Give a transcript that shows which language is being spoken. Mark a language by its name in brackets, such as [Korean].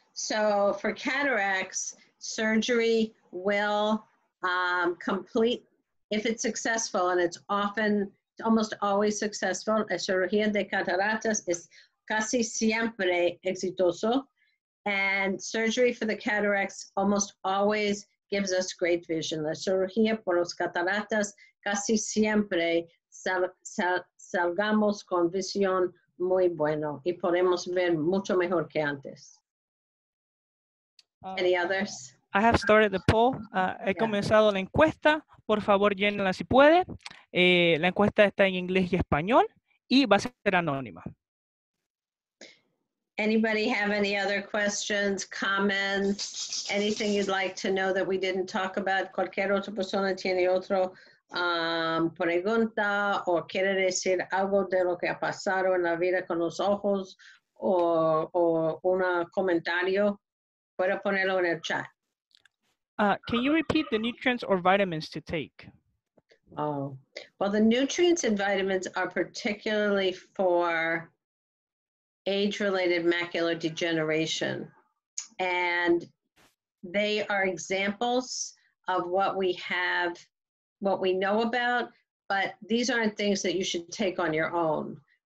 [English] So for cataracts, surgery will complete, if it's successful, and it's often, almost always successful, [Spanish] la cirugía de cataratas es casi siempre exitoso, [English] and surgery for the cataracts almost always gives us great vision. [Spanish] La cirugía por los cataratas casi siempre salgamos con visión muy bueno y podemos ver mucho mejor que antes. [English] Any others? I have started the poll. [Spanish] He comenzado la encuesta. Por favor, llénela si puede. La encuesta está en inglés y español y va a ser anónima. [English] Anybody have any other questions, comments, anything you'd like to know that we didn't talk about? [Spanish] Cualquier otra persona tiene otro pregunta o quiere decir algo de lo que ha pasado en la vida con los ojos o un comentario, puede ponerlo en el chat. [English] Can you repeat the nutrients or vitamins to take? Oh, well, the nutrients and vitamins are particularly for age-related macular degeneration. And they are examples of what we have, what we know about, but these aren't things that you should take on your own.